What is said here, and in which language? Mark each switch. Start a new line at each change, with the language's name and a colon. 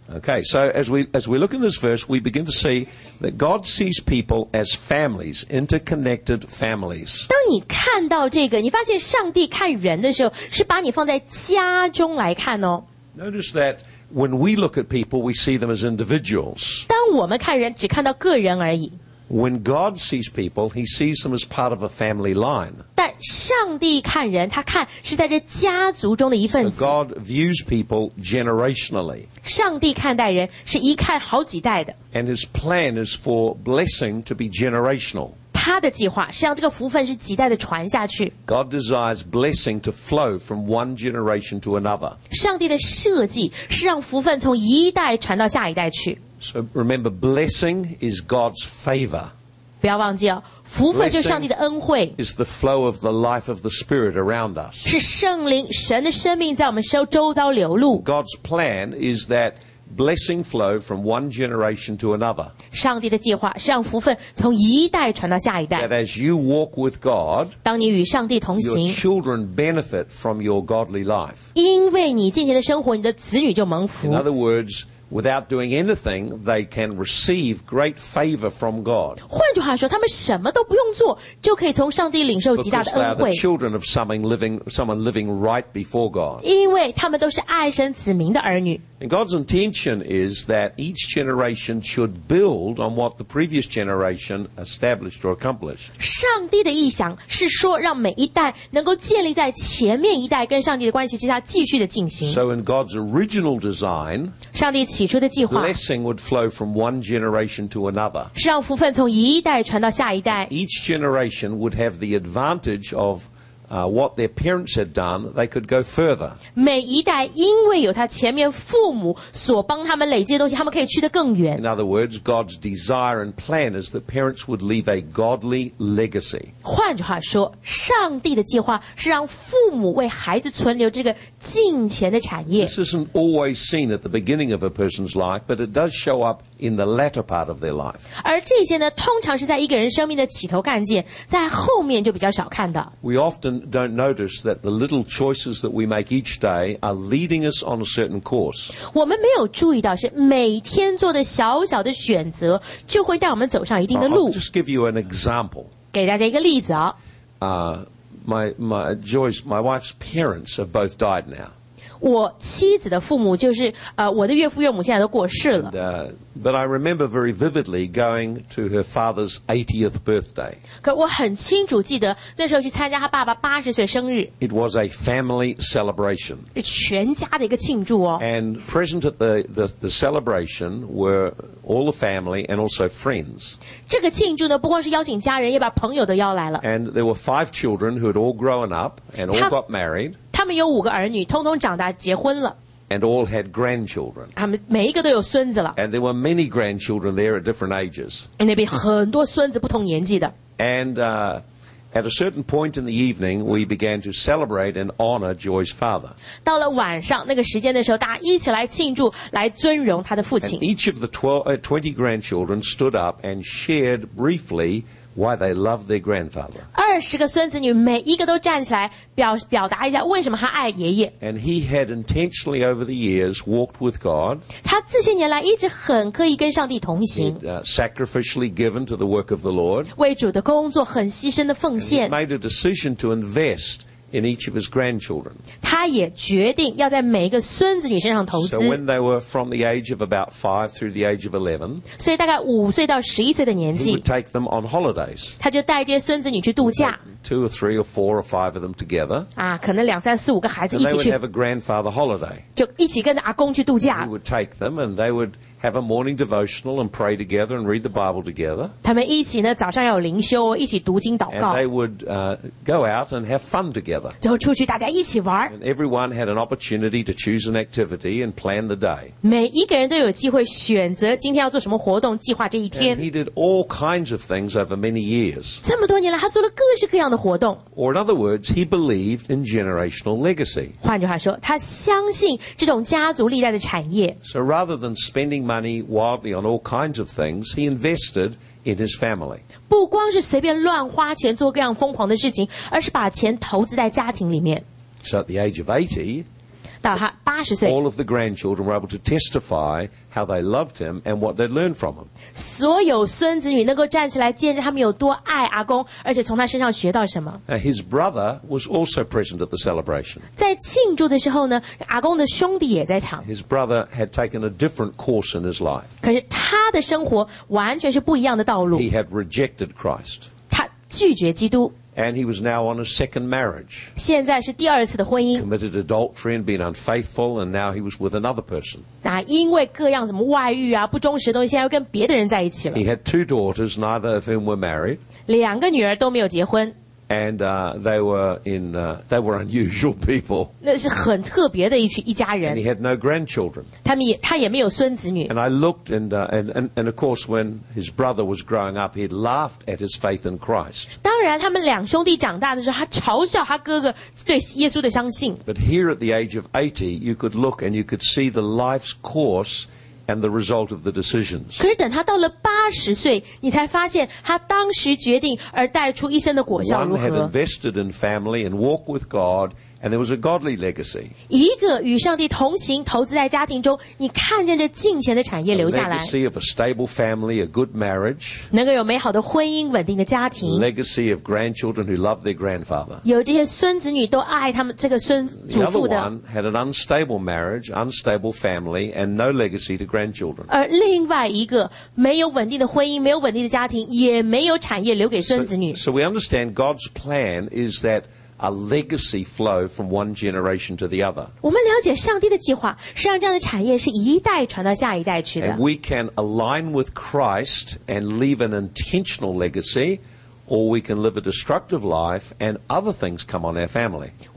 English: Okay, so as we look in this verse, we begin to see that God sees people as families, interconnected families.
Chinese: 当你看到这个，你发现上帝看人的时候，是把你放在家中来看哦。
English: Notice that when we look at people, we see them as individuals.
Chinese: 当我们看人，只看到个人而已。
English: When God sees people, he sees them as part of a family line.
Chinese: 但上帝看人，他看是在这家族中的一份子。
English: So God views people generationally.
Chinese: 上帝看待人是一看好几代的。
English: And his plan is for blessing to be generational.
Chinese: 他的计划是让这个福分是几代的传下去。
English: God desires blessing to flow from one generation to another.
Chinese: 上帝的设计是让福分从一代传到下一代去。
English: So remember, blessing is God's favor.
Chinese: 不要忘记哦，福分就是上帝的恩惠。
English: Blessing is the flow of the life of the Spirit around us.
Chinese: 是圣灵，神的生命在我们周遭流露。
English: God's plan is that blessing flow from one generation to another.
Chinese: 上帝的计划是让福分从一代传到下一代。
English: That as you walk with God,
Chinese: 当你与上帝同行
English: your children benefit from your godly life.
Chinese: 因为你敬虔的生活，你的子女就蒙福。
English: In other words,Without doing anything, they can receive great favor from God.
Chinese: 换句话说，他们什么都不用做，就可以从上帝领受极大的恩惠。
English: Because they are the children of someone living right before God.
Chinese: 因为他们都是爱神子民的儿女。
English: And God's intention is that each generation should build on what the previous generation established or accomplished.
Chinese: 上帝的意想是说让每一代能够建立在前面一代跟上帝的关系之下继续的进行。
English: So in God's original design,
Chinese: 上帝起初的计划
English: blessing would flow from one generation to another.
Chinese: 是让福分从一代传到下一代。
English: Each generation would have the advantage of what their parents had done, they could go further.
Chinese: 每一代因为有他前面父母所帮他们累积的东西，他们可以去得更远。
English: In other words, God's desire and plan is that parents would leave a godly legacy.
Chinese: 换句话说，上帝的计划是让父母为孩子存留这个敬虔的产业。
English: This isn't always seen at the beginning of a person's life, but it does show up in the latter part of their life.
Chinese: 而这些呢，通常是在一个人生命的起头看见，在后面就比较少看到。
English: We often don't notice that the little choices that we make each day are leading us on a certain course.
Chinese: 我们没有注意到是每天做的小小的选择就会带我们走上一定的路。
English: I'll just give you an example.
Chinese: 给大家一个例子啊。
English: My wife's parents have both died now.
Chinese: 我妻子的父母就是我的岳父岳母现在都过世了。
English: And, but I remember very vividly going to her father's 80th birthday.
Chinese: 可我很清楚记得那时候去参加他爸爸80岁生日。
English: It was a family celebration.
Chinese: 全家的一个庆祝哦。
English: And present at the celebration were all the family and also friends.
Chinese: 这个庆祝呢不光是邀请家人也把朋友都邀来了。
English: And there were 5 children who had all grown up and all got married.
Chinese: 他们有五个儿女，通通长大结婚了。
English: And all had grandchildren.
Chinese: 他们每一个都有孙子了。
English: And there were many grandchildren there at different ages.
Chinese: 那边很多孙子不同年纪的。
English: And at a certain point in the evening, we began to celebrate and honor Joy's father.
Chinese: 到了晚上那个时间的时候，大家一起来庆祝，来尊荣他的父亲。
English: And each of the 20 grandchildren stood up and shared briefly. Why they love their grandfather.
Chinese: 20个孙子女每一个都站起来表达一下为什么他爱爷爷。
English: And he had intentionally over the years walked with God.
Chinese: 他这些年来一直很刻意跟上帝同行。
English: Sacrificially given to the work of the Lord.
Chinese: 为主的工作很牺牲的奉献。
English: And he made a decision to invest in each of his grandchildren.
Chinese: 他也决定要在每一个孙子女身上投资。
English: So when they were from the age of about 5 through the age of 11,
Chinese: 所以大概五岁到十一岁的年纪,
English: he would take them on holidays.
Chinese: 他就带这些孙子女去度假。
English: Two or three or four or five of them together.
Chinese: 啊，可能两三四五个孩子一起去。
English: And they would have a grandfather holiday.
Chinese: 就一起跟阿公去度假。
English: He would take them and they would have a morning devotional and pray together and read the Bible together.
Chinese: 他们一起呢，早上要有灵修，一起读经祷告。
English: And they would go out and have fun together.
Chinese: 就出去大家一起玩。
English: And everyone had an opportunity to choose an activity and plan the day.
Chinese: 每一个人都有机会选择今天要做什么活动，计划这一天。
English: And he did all kinds of things over many years.
Chinese: 这么多年来，他做了各式各样。
English: Or in other words, he believed in generational legacy.
Chinese: 换句话说，他相信这种家族历代的产业。
English: So rather than spending money wildly on all kinds of things, he invested in his family.
Chinese: 不光是随便乱花钱做各样疯狂的事情，而是把钱投资在家庭里面。
English: So at the age of 80,
Chinese: 到他八十岁
English: all of the grandchildren were able to testify how they loved him and what they learned from him.
Chinese: 所有孙子女能够站起来见证他们有多爱阿公，而且从他身上学到什么。
English: His brother was also present at the celebration.
Chinese: 在庆祝的时候呢，阿公的兄弟也在场。
English: His brother had taken a different course in his life.
Chinese: 可是他的生活完全是不一样的道路。
English: He had rejected Christ.
Chinese: 他拒绝基督。
English: And he was now on his second marriage.
Chinese: 现在是第二次的婚姻。
English: Committed adultery and been unfaithful, and now he was with another person.
Chinese: 那因为各样什么外遇啊、不忠实的东西，现在又跟别的人在一起了。
English: He had 2 daughters, neither of whom were married.
Chinese: 两个女儿都没有结婚。
English: And they were unusual people.
Chinese: 那是很特别的一家人。
English: And he had no grandchildren.
Chinese: 他也没有孙子女。
English: And I looked and of course when his brother was growing up, he laughed at his faith in Christ.
Chinese: 当然，他们两兄弟长大的时候，他嘲笑他哥哥对耶稣的相信。
English: But here at the age of 80, you could look and you could see the life's course. And the result of the decisions.
Chinese: 可是等他到了八十岁，你才发现他当时决定而带出一生的果效如何。
English: One had invested in family and walked with God And there was a godly legacy.
Chinese: 一个与上帝同行, 投资在家庭中, 你看见着敬虔的产业留下来,
English: legacy of a stable family, a good marriage.
Chinese: 能够有美好的婚姻, 稳定的家庭,
English: legacy of grandchildren who love their grandfather.
Chinese: 有这些孙子女都爱他们, 这个孙祖父的,
English: the other one had an unstable marriage, unstable family, and no legacy to grandchildren.
Chinese: 而另外一个, 没有稳定的婚姻, 没有稳定的家庭, 也没有产业留给孙子女。
English: So we understand God's plan is that a legacy flow from one generation to the other.
Chinese: 我们了解上帝的计划, 实际上这样的产业是一代传到下一代去的。
English: And we can align with Christ and leave an intentional legacy, or we can live a destructive life and other things come on our family.